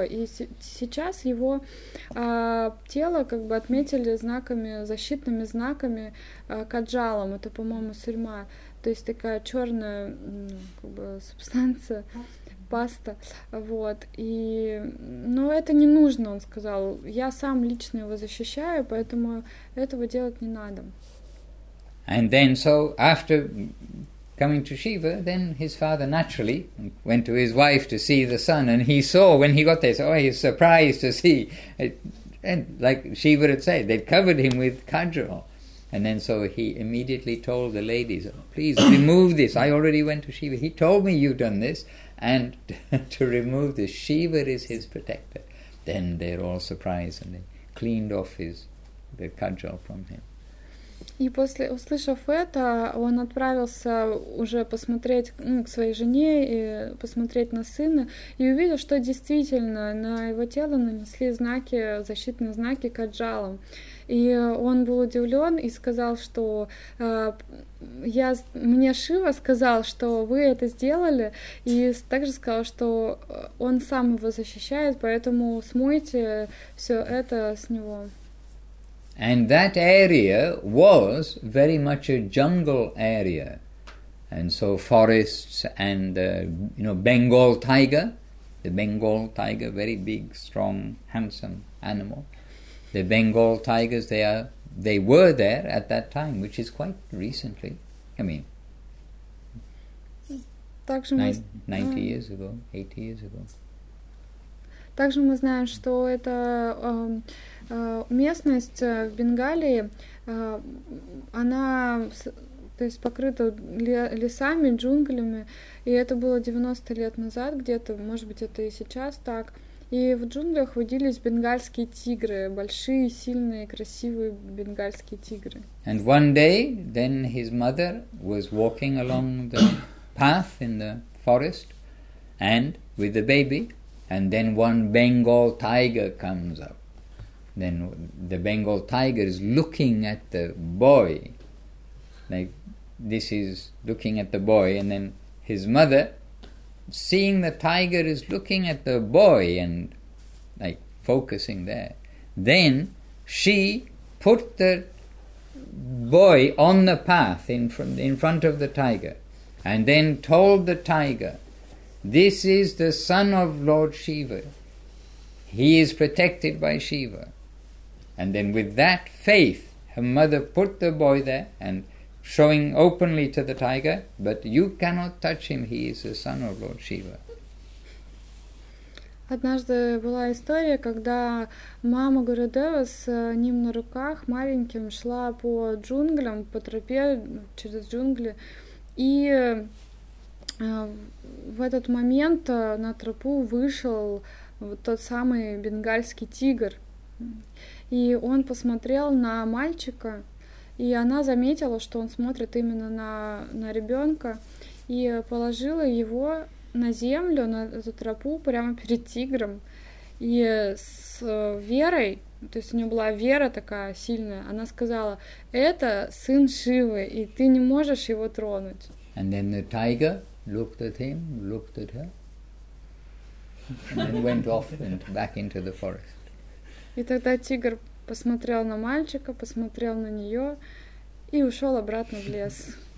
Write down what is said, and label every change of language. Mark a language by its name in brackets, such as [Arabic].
[Russian] И сейчас его тело как бы отметили знаками, защитными знаками, каджалом, это, по-моему, сурьма. То есть такая черная как бы субстанция, паста, вот. И, но это не нужно, он сказал. Я сам лично его защищаю, поэтому этого делать не надо. [English] And then, so after coming to Shiva, then his father naturally went to his wife to see the son, and he saw when he got there, so, oh, he was surprised to see it. And like Shiva had said, they'd covered him with kajal. And then so he immediately told the ladies, please remove this. I already went to Shiva. He told me you've done this. And to remove this, Shiva is his protector. Then they're all surprised and they cleaned off the kajal from him. [Russian] И после, услышав это, он отправился уже посмотреть, к своей жене, и посмотреть на сына, и увидел, что действительно на его тело нанесли знаки, защитные знаки каджалом. И он был удивлен и сказал, что мне Шива сказал, что вы это сделали, и также сказал, что он сам его защищает, поэтому смойте все это с него. [English] And that area was very much a jungle area. And so forests and, Bengal tiger. The Bengal tiger, very big, strong, handsome animal. The Bengal tigers, they were there at that time, which is quite recently. I mean, 90 years ago, 80 years ago. [Russian] Также мы знаем, что это местность в Бенгалии, она, то есть, покрыта лесами, джунглями, и это было 90 лет назад где-то, может быть, это и сейчас так. И в джунглях водились бенгальские тигры, большие, сильные, красивые бенгальские тигры. [English] And one day, then his mother was walking along the path in the forest, and with the baby. And then one Bengal tiger comes up. Then the Bengal tiger is looking at the boy. Like, this is looking at the boy. And then his mother, seeing the tiger is looking at the boy and, like, focusing there. Then she put the boy on the path in front of the tiger. And then told the tiger, this is the son of Lord Shiva. He is protected by Shiva. And then with that faith, her mother put the boy there and showing openly to the tiger, but you cannot touch him, he is the son of Lord Shiva. [Russian] Однажды была история, когда мама Гурудева с ним на руках, маленьким, шла по джунглям, по тропе через джунгли, и в этот момент на тропу вышел вот тот самый бенгальский тигр. И он посмотрел на мальчика, и она заметила, что он смотрит именно на ребенка, и положила его на землю, на эту тропу, прямо перед тигром. И с верой, то есть у нее была вера такая сильная, она сказала, это сын Шивы, и ты не можешь его тронуть. [English] And then the tiger looked at him, looked at her, and then went off and back into the forest. [Russian] И тогда тигр посмотрел на мальчика, посмотрел на нее и ушел обратно в лес.